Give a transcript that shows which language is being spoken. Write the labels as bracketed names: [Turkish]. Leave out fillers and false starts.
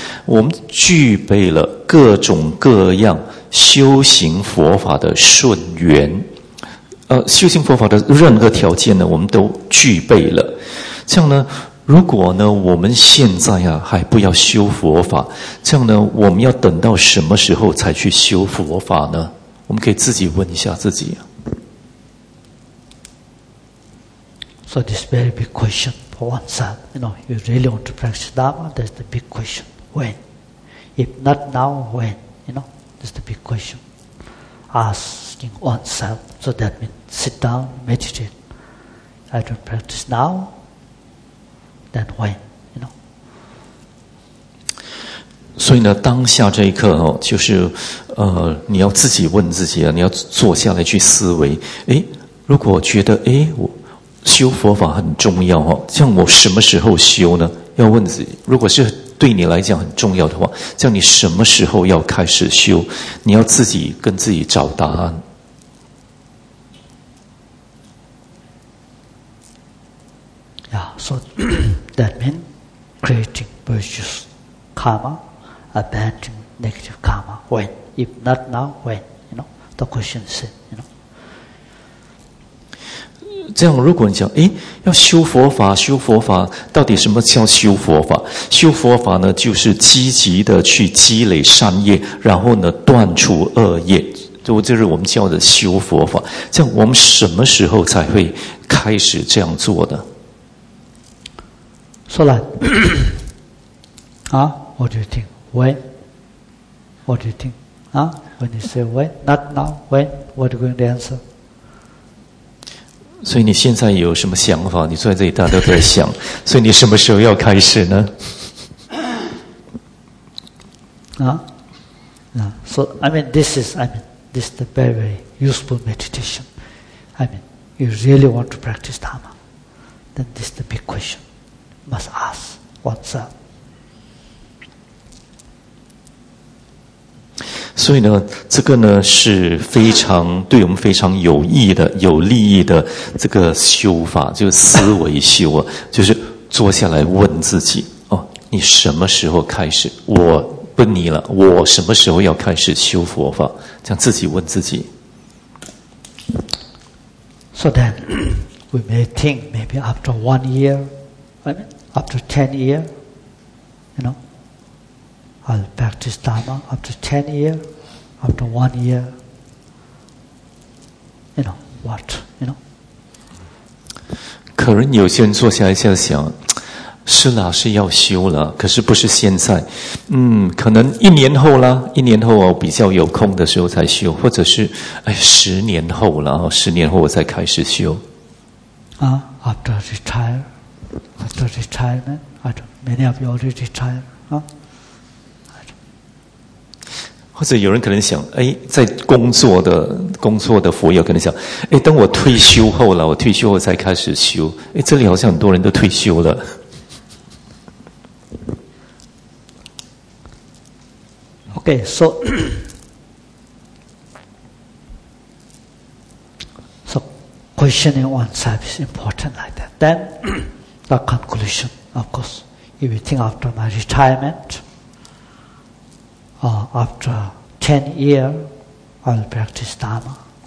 [Chinese] 我们具备了各种各样修行佛法的顺缘，修行佛法的任何条件呢，我们都具备了。这样呢，如果呢我们现在啊还不要修佛法，这样呢我们要等到什么时候才去修佛法呢？我们可以自己问一下自己。 [English] So this is a very big question for oneself. You know, you really want to practice Dharma? That's the big question. When? If not now, when? You know, that's the big question. Asking oneself. So that means sit down, meditate. I don't practice now, then when? You know? [Chinese] 所以呢，当下这一刻哦，就是你要自己问自己啊，你要坐下来去思维。诶，如果觉得诶，我修佛法很重要哦，像我什么时候修呢？要问自己，如果是对你来讲很重要的话，像你什么时候要开始修？你要自己跟自己找答案。 [English] Yeah, so that means creating virtuous karma, abandoning negative karma. When? If not now, when? You know, the question is, you know. [Chinese] 这样，如果你讲，诶，要修佛法，修佛法，到底什么叫修佛法？修佛法呢，就是积极的去积累善业，然后呢，断除恶业，就这是我们叫的修佛法。这样，我们什么时候才会开始这样做的？ [English] 说来，啊，What do you think? When? What do you think? 啊，When you say when? Not now. When? What are you going to answer? [Chinese] 所以你现在有什么想法？你坐在这里，大家都在想。所以你什么时候要开始呢？ [English] 啊，啊 ，So this is the very, very useful meditation. I mean, you really want to practice Dharma, then this is the big question you must ask oneself. [Chinese] 所以呢，这个呢是非常对我们非常有益的、有利益的这个修法，就是思维修啊，就是坐下来问自己哦，你什么时候开始？我不你了，我什么时候要开始修佛法？这样自己问自己。 [English] So then, we may think maybe after 1 year, I mean after 10 years, you know. I'll practice Dharma after 10 years, after 1 year. You know, what? You know? [Chinese] 可能有些人坐下来就想，是啦，是要修了，可是不是现在。嗯，可能一年后啦，一年后我比较有空的时候才修，或者是，哎，十年后我才开始修。 [English] After retire, after retirement, I don't, many of you already retire, huh? [Chinese] 或者有人可能想，哎，在工作的佛友可能想，哎，等我退休后了，我退休后才开始修。哎，这里好像很多人都退休了。 [English] Okay, so questioning oneself is important like that. Then the conclusion, of course, if you think after my retirement, after 10 years, I'll practice Dharma.